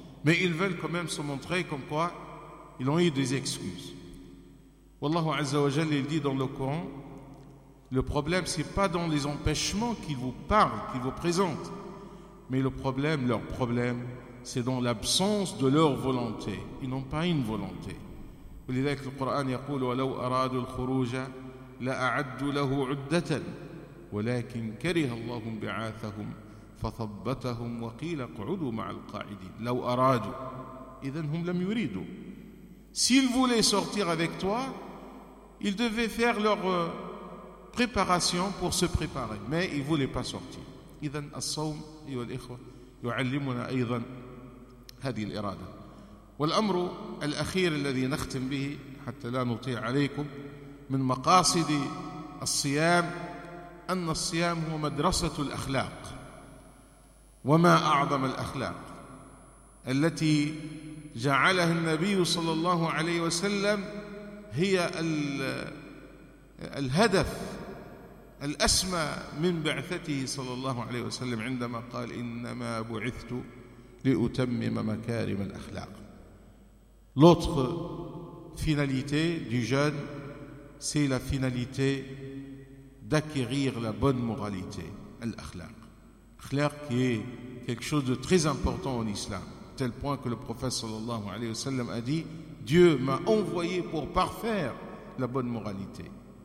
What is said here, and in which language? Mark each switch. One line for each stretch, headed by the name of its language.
French: Mais ils veulent quand même se montrer comme quoi ils ont eu des excuses. Wallahu Azza wa Jalla, il dit dans le Coran, le problème, ce n'est pas dans les empêchements qu'ils vous parlent, qu'ils vous présentent, mais le problème, leur problème, c'est dans l'absence de leur volonté. Ils n'ont pas une volonté.
Arabic: ولذلك القرآن يقول ولو أرادوا الخروج لأعدوا له عدة ولكن كره الله بعاثهم فثبتهم وقيل اقعدوا مع القاعدين. لو أرادوا، إذن هم لم يريدوا.
French: S'ils voulaient sortir avec toi, ils devaient faire leur préparation pour se préparer, mais ils voulaient pas sortir.
Arabic: إذن الصوم أيها الإخوة يعلمنا أيضا هذه الإرادة. والأمر الأخير الذي نختم به حتى لا نطيع عليكم من مقاصد الصيام، أن الصيام هو مدرسة الأخلاق. وما أعظم الأخلاق التي جعلها النبي صلى الله عليه وسلم هي الهدف الأسمى من بعثته صلى الله عليه وسلم، عندما قال إنما بعثت لأتمم مكارم الأخلاق.
French: L'autre finalité du jeûne, c'est la finalité d'acquérir la bonne moralité, l'akhlaq. L'akhlaq qui est quelque chose de très important en islam, tel point que le prophète sallallahu alayhi wa sallam a dit « Dieu m'a envoyé pour parfaire la bonne moralité ».